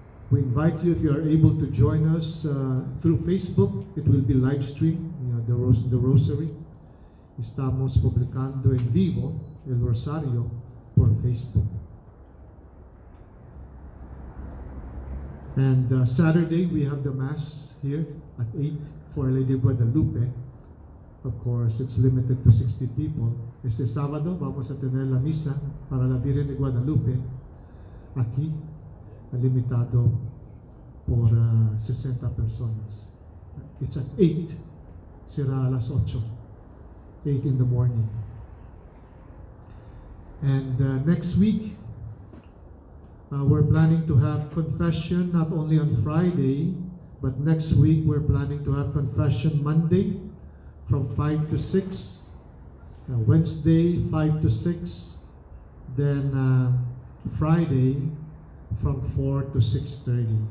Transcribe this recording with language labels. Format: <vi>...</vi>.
<en>We invite you, if you are able to join us through Facebook, it will be live stream, the rosary.</en> <es>Estamos publicando en vivo el rosario por Facebook.</es> <en>And Saturday we have the Mass here at 8 for Lady Guadalupe. Of course, it's limited to 60 people.</en> <es>Este sábado vamos a tener la misa para la Virgen de Guadalupe aquí, limitado por 60 personas.</es> <en>It's at 8,</en> <es>será a las 8,</es> <en>8 in the morning. And next week, we're planning to have confession not only on Friday, but next week we're planning to have confession Monday from 5 to 6, Wednesday 5 to 6, then Friday from 4 to 6:30.</en>